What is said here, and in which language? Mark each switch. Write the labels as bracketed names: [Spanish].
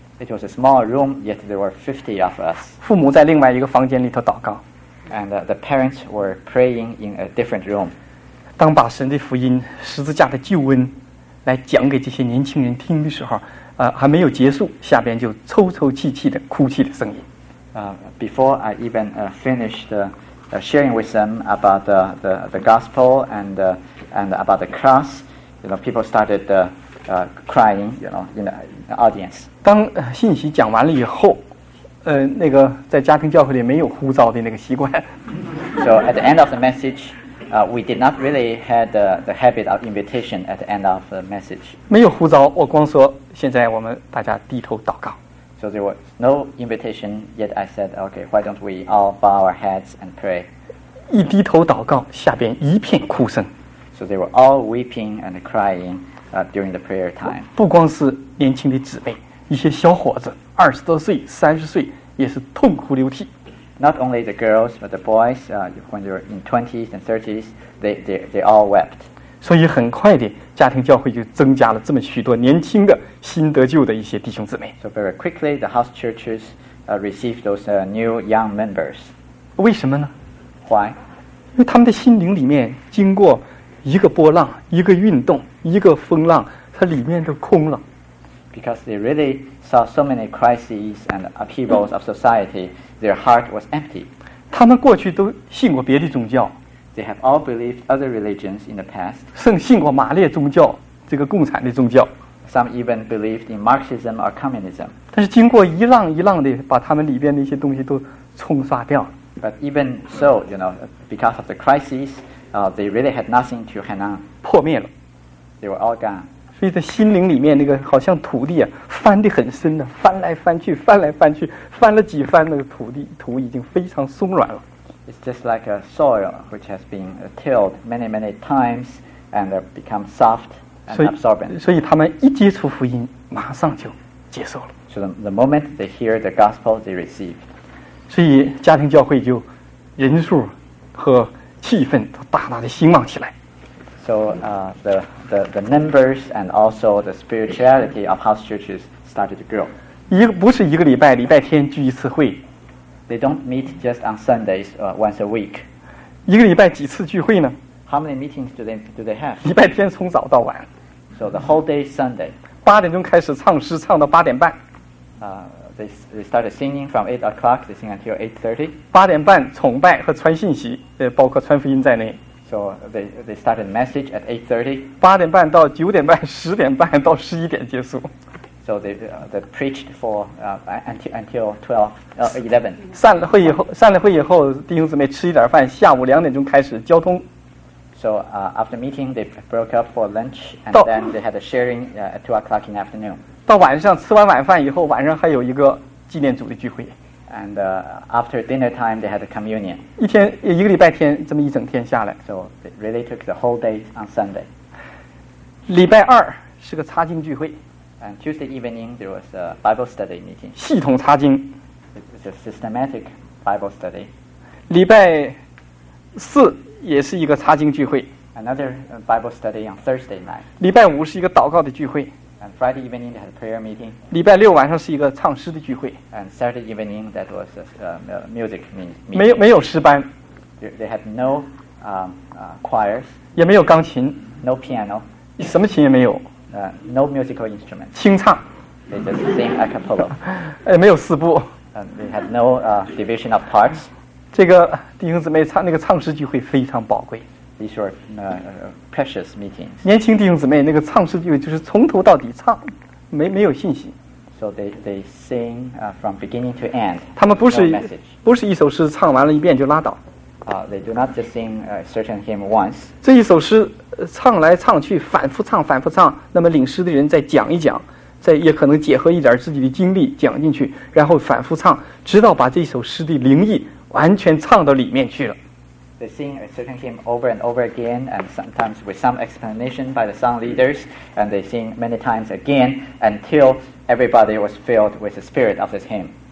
[English] It was a small room, yet there were 50 of us. [Chinese] 父母在另外一个房间里头祷告。 [English] And the parents were praying in a different room. [Chinese] 当把神的福音、十字架的救恩来讲给这些年轻人听的时候，还没有结束，下边就抽抽泣泣的哭泣的声音。 [English] Before I even finished sharing with them about the gospel and about the cross, you know, people started crying, you know, in the audience. [Chinese] 当信息讲完了以后，那个在家庭教会里没有呼召的那个习惯。 [English] So at the end of the message, we did not really had the habit of invitation at the end of the message. [Chinese] 没有呼召，我光说现在我们大家低头祷告。 [English] So there was no invitation, yet I said, okay, why don't we all bow our heads and pray? [Chinese] 一低头祷告，下边一片哭声。 [English] So they were all weeping and crying during the prayer time. [Chinese] 不光是年轻的姊妹，一些小伙子，20多岁、30岁，也是痛哭流涕。 [English] Not only the girls, but the boys, when they were in 20s and 30s, they all wept. [Chinese] 所以很快的，家庭教会就增加了这么许多年轻的新得救的一些弟兄姊妹。 [English] So very quickly, the house churches received those new young members. [Chinese] 为什么呢？ [English] Why? [Chinese] 因为他们的心灵里面经过一个波浪、一个运动、一个风浪，它里面都空了。 [English] Because they really saw so many crises and upheavals of society, their heart was empty. [Chinese] 他们过去都信过别的宗教。 [English] They have all believed other religions in the past. [Chinese] 甚至信过马列宗教，这个共产的宗教。 [English] Some even believed in Marxism or communism. [Chinese] 但是经过一浪一浪的把他们里边的一些东西都冲刷掉了。 [English] But even so, you know, because of the crises, they really had nothing to hang on. [Chinese] 破灭了。 [English] They were all gone. [Chinese] 所以在心灵里面那个好像土地啊翻得很深的、啊、翻来翻去翻来翻去翻了几番那个土地土已经非常松软了。 [English] It's just like a soil which has been tilled many many times and become soft and absorbent. [Chinese] 所以他们一接触福音马上就接受了。 [English] So the moment they hear the gospel they receive. [Chinese] 所以家庭教会就人数和气氛都大大的兴旺起来。 [English] So the numbers and also the spirituality of house churches started to grow. [Chinese] 不是一个礼拜，礼拜天聚一次会。 [English] They don't meet just on Sundays, once a week. [Chinese] 一个礼拜几次聚会呢？ [English] How many meetings do they have? [Chinese] 礼拜天从早到晚。 [English] So the whole day Sunday. [Chinese] 8点钟开始唱诗，唱到8点半。 [English] They started singing from 8 o'clock. They sing until 8:30. [Chinese] 8点半崇拜和传信息，包括传福音在内。 [English] So they started the message at 8:30. [Chinese] 8点半到9点半，10点半到11点结束。 [English] So they preached for until 11. [Chinese] 散了会以后，弟兄姊妹吃一点饭，下午2点钟开始交通。 [English] So after meeting, they broke up for lunch, and then they had a sharing at 2 o'clock in the afternoon. [Chinese] 到晚上吃完晚饭以后，晚上还有一个纪念组的聚会。 [English] And after dinner time, they had a communion. [Chinese] 一个礼拜天，这么一整天下来。 [English] So they really took the whole day on Sunday. [Chinese] 礼拜二是个查经聚会。 [English] And Tuesday evening, there was a Bible study meeting. [Chinese] 系统查经。 [English] It's a systematic Bible study. [Chinese] 礼拜四也是一个查经聚会。 [English] Another Bible study on Thursday night. [Chinese] 礼拜五是一个祷告的聚会。 [English] And Friday evening they had a prayer meeting. [Chinese] 礼拜六晚上是一个唱诗的聚会。 [English] And Saturday evening that was a music meeting. [Chinese] 没有诗班。 [English] They had no choirs. [Chinese] 也没有钢琴。 [English] No piano. [Chinese] 什么琴也没有。 [English] No musical instrument. [Chinese] 清唱。 [English] They just sing a cappella. [Chinese] 也没有四部。 [English] They had no division of parts. [Chinese] 这个弟兄姊妹唱那个唱诗聚会非常宝贵。 [English] These were precious meetings. [Chinese] 年轻弟兄姊妹，那个唱诗聚会就是从头到底唱，没有信息。 [English] So they sing from beginning to end. [Chinese] 他们不是一首诗唱完了一遍就拉倒。 [English] They do not just sing a certain hymn once. [Chinese] 这一首诗唱来唱去，反复唱，反复唱。那么领诗的人再讲一讲，再也可能结合一点自己的经历讲进去，然后反复唱，直到把这首诗的灵意完全唱到里面去了。 [English] They sing a certain hymn over and over again, and sometimes with some explanation by the song leaders, and they sing many times again until everybody was filled with the spirit of this hymn.